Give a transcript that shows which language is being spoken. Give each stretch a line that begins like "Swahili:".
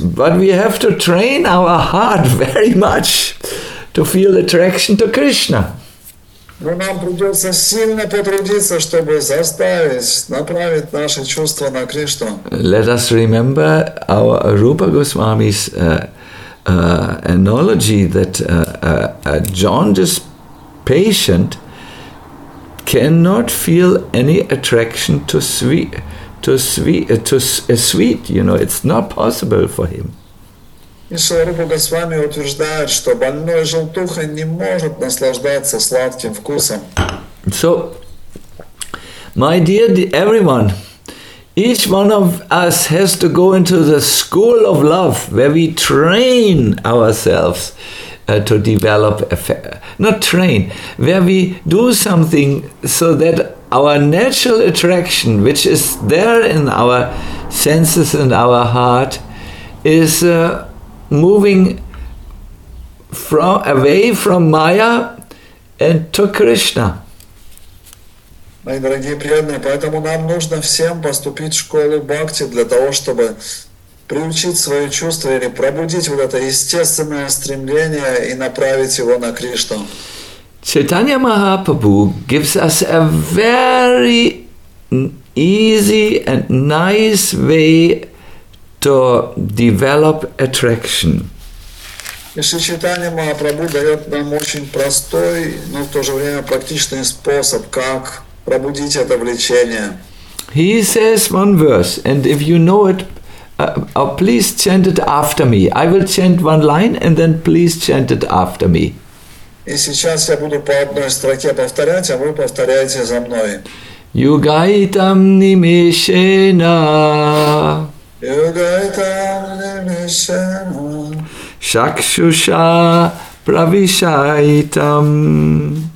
English: But we have to train our heart very much to feel attraction to Krishna.
Russian: Но нам придется сильно потрудиться, чтобы заставить, направить наши чувства на Кришну.
English: Let us remember our Rupa Goswami's analogy that a jaundiced patient cannot feel any attraction to a sweet, you know, it's not possible for him.
Russian: И Шарупа Госвами утверждает, что больной желтухой не может наслаждаться сладким вкусом.
English: So, my dear everyone, each one of us has to go into the school of love where we train ourselves to develop effect. Not train, where we do something so that our natural attraction, which is there in our senses and our heart, is moving from away from Maya and to Krishna.
Russian: Мои дорогие преданные, поэтому нам нужно всем поступить в школу бхакти для того, чтобы приучить свои чувства или пробудить вот это естественное стремление и направить его на Кришну.
English: Чайтанья Махапрабху gives us a very easy and nice way to develop attraction.
Russian: Если Чайтанья Махапрабху дает нам очень простой, но в то же время практичный способ, как пробудить это влечение.
English: He says one verse, and if you know it, please chant it after me. I will chant one line, and then please chant it after me.
Russian: И сейчас я буду по одной строке повторять, а вы повторяете за мной.
Sanskrit: Югайтам нимешена. Югайтам нимешена. Шакшуша правишайтам.